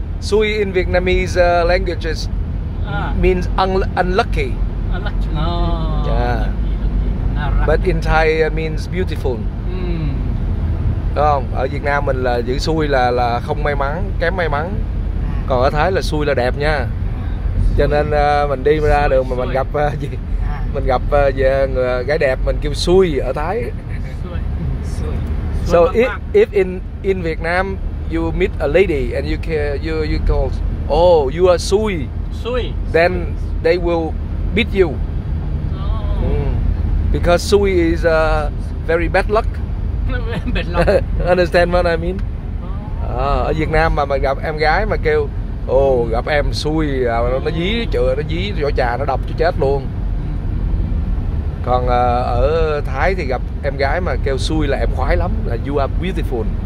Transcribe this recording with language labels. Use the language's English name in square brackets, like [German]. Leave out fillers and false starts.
[English] Sui in Vietnamese language is means unlucky. Unlucky. No. Yeah. But in Thai means beautiful. Mm. [Vietnamese] Không? Ở Việt Nam mình là chữ sui là không may mắn, kém may mắn. Còn ở Thái là sui là đẹp nha. Cho nên mình đi ra đường mà mình gặp gì? Mình gặp gái đẹp mình kêu xui ở Thái. Xui. [English] So if in Vietnam you meet a lady and you call, oh, you are xui. [Vietnamese] Xui. [English] Then xui. They will beat you. Oh. Mm. Because xui is very bad luck. Bad luck. Understand what I mean? Oh. [Vietnamese] Ở Việt Nam mà mình gặp em gái mà kêu, oh, gặp em xui, nó dí chợ, nó dí vỏ trà, nó đập cho chết luôn. Còn ở Thái thì gặp em gái mà kêu xui là em khoái lắm, là [English] you are beautiful.